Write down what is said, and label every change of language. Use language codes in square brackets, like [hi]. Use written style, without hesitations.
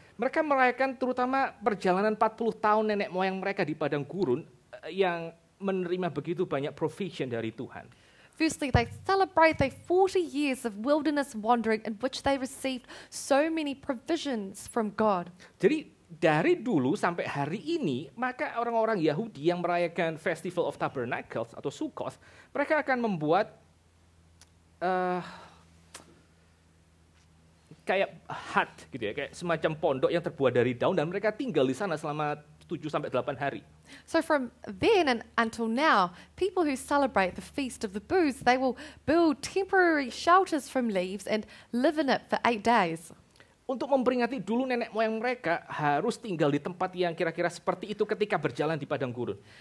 [id] Mereka merayakan terutama perjalanan 40 tahun nenek moyang mereka di padang gurun yang menerima begitu banyak provision dari Tuhan. [en] Firstly, they celebrate their 40 years of wilderness wandering in which they received so many provisions from God. [id] Jadi dari dulu sampai hari ini, maka orang-orang Yahudi yang merayakan Festival of Tabernacles atau Sukkot, mereka akan membuat kayak hut gitu ya, kayak semacam pondok yang terbuat dari daun dan mereka tinggal di sana selama 7 sampai 8 hari. [en] So from then and until now, people who celebrate the Feast of the Booths, they will build temporary shelters from leaves and live in it for 8 days. [id] Untuk memperingati dulu nenek moyang mereka harus tinggal di tempat yang kira-kira seperti itu ketika berjalan di padang gurun.